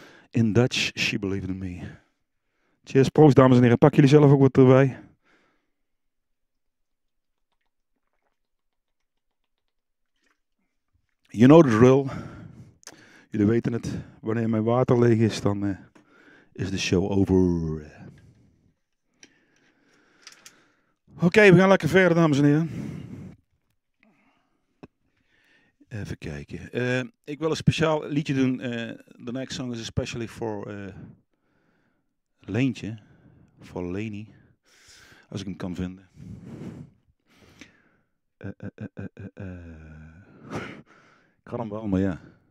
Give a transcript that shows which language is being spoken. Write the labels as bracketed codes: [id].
[en] In Dutch, she believed in me. [nl] Cheers, proost dames en heren. Pak jullie zelf ook wat erbij. [en] You know the drill. [nl] Jullie weten het. Wanneer mijn water leeg is, dan is de show over. Oké, we gaan lekker verder, dames en heren. Even kijken. Ik wil een speciaal liedje doen. [en] The next song is especially for Leentje. [nl] Voor Leni. Als ik hem kan vinden. Ik kan hem wel, maar ja.